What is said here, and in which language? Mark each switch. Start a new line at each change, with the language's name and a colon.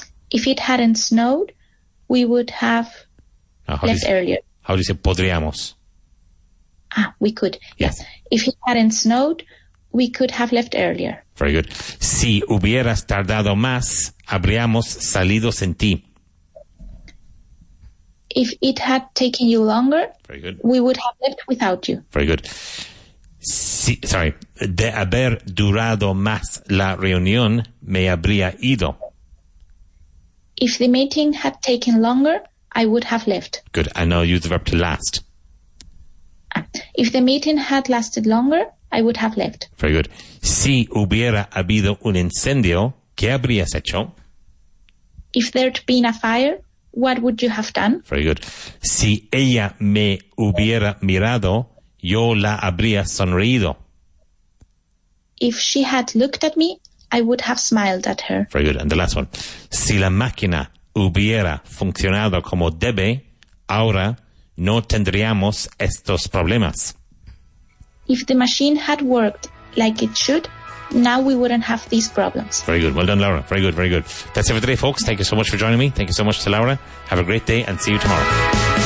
English: If it hadn't snowed, we would have left earlier. How do you say podríamos? We could. Yes. If it hadn't snowed, we could have left earlier. Very good.
Spanish: Si hubieras tardado más, habríamos salido sin ti.
English: If it had taken you longer, very good. We would have left without you. Very good.
Spanish: De haber durado más la reunión, me habría ido.
English: If the meeting had taken longer, I would have left. Good. And now use the verb to last. If the meeting had lasted longer, I would have left. Very good.
Spanish: Si hubiera habido un incendio, ¿qué habrías hecho?
English: If there'd been a fire, what would you have done? Very good.
Spanish: Si ella me hubiera mirado, yo la habría sonreído.
English: If she had looked at me, I would have smiled at her. Very good. And the last one.
Spanish: Si la máquina hubiera funcionado como debe, ahora no tendríamos estos problemas.
English: If the machine had worked like it should, now we wouldn't have these problems. Very good. Well done, Laura. Very good, very good. That's it for today, folks. Thank you so much for joining me. Thank you so much to Laura. Have a great day and see you tomorrow.